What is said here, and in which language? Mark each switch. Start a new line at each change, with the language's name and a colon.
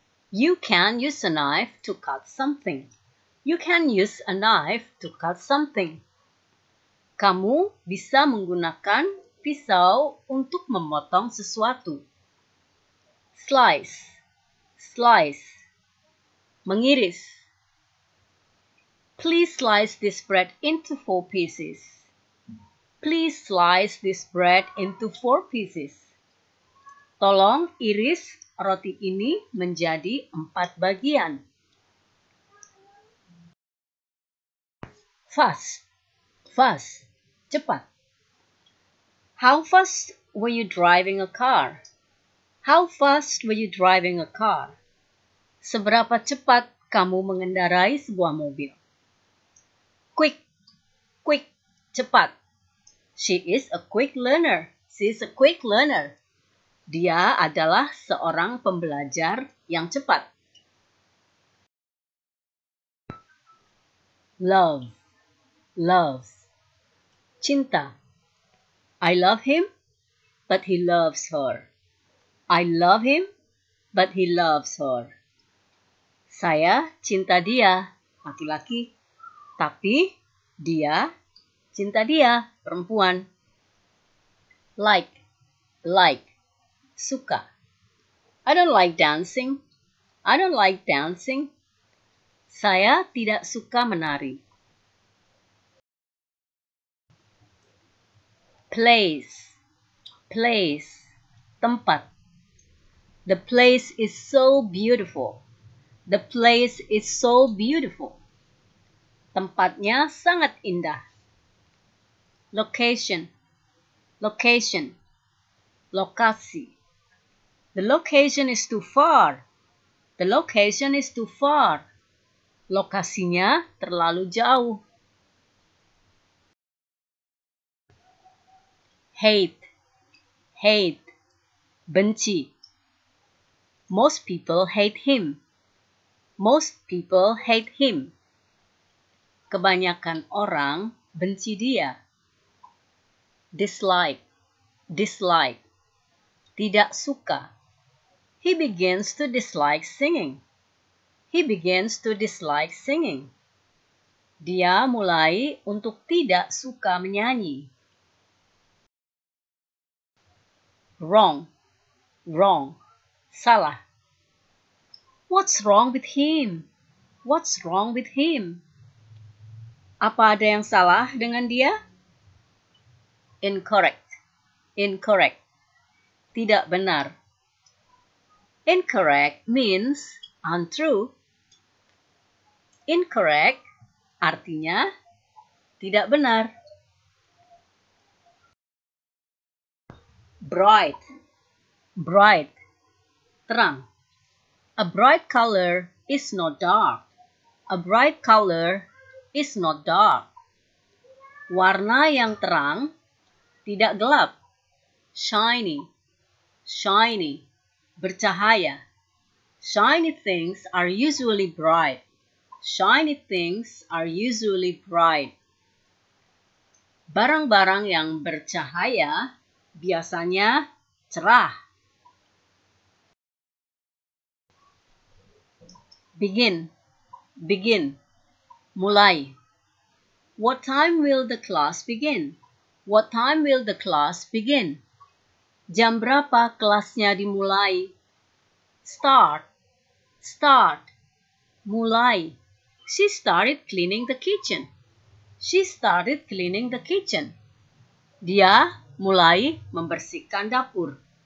English: You can use a knife to cut something. You can use a knife to cut something.
Indonesian: Kamu bisa menggunakan pisau untuk memotong sesuatu.
English: Slice, slice, mengiris. Please slice this bread into 4 pieces. Please slice this bread into 4 pieces.
Indonesian: Tolong iris roti ini menjadi 4 bagian.
English: Fast, fast, cepat. How fast were you driving a car? How fast were you driving a car?
Indonesian: Seberapa cepat kamu mengendarai sebuah mobil?
English: Quick, quick, cepat. She is a quick learner. She is a quick learner.
Indonesian: Dia adalah seorang pembelajar yang cepat.
English: Love, love, cinta. I love him, but he loves her. I love him, but he loves her.
Indonesian: Saya cinta dia, laki-laki. Tapi dia cinta dia, perempuan.
English: Like, like, suka. I don't like dancing. I don't like dancing.
Indonesian: Saya tidak suka menari.
English: Place, place, tempat. The place is so beautiful. The place is so beautiful.
Indonesian: Tempatnya sangat indah. Location, location, lokasi.
English: The location is too far. The location is too far.
Indonesian: Lokasinya terlalu jauh.
English: Hate, hate, benci. Most people hate him. Most people hate him.
Indonesian: Kebanyakan orang benci dia. Dislike, dislike, tidak suka.
English: He begins to dislike singing. He begins to dislike singing.
Indonesian: Dia mulai untuk tidak suka menyanyi.
English: Wrong, wrong, salah. What's wrong with him? What's wrong with him?
Indonesian: Apa ada yang salah dengan dia?
English: Incorrect, incorrect, tidak benar. Incorrect means untrue. Incorrect
Indonesian: artinya tidak benar.
English: Bright, bright, terang. A bright color is not dark. A bright color is not dark.
Indonesian: Warna yang terang tidak gelap.
English: Shiny, shiny, bercahaya. Shiny things are usually bright. Shiny things are usually bright.
Indonesian: Barang-barang yang bercahaya biasanya cerah.
English: Begin, begin, mulai. What time will the class begin? What time will the class begin?
Indonesian: Jam berapa kelasnya dimulai? Start, start, mulai.
English: She started cleaning the kitchen. She started cleaning the kitchen.
Indonesian: Dia mulai membersihkan dapur.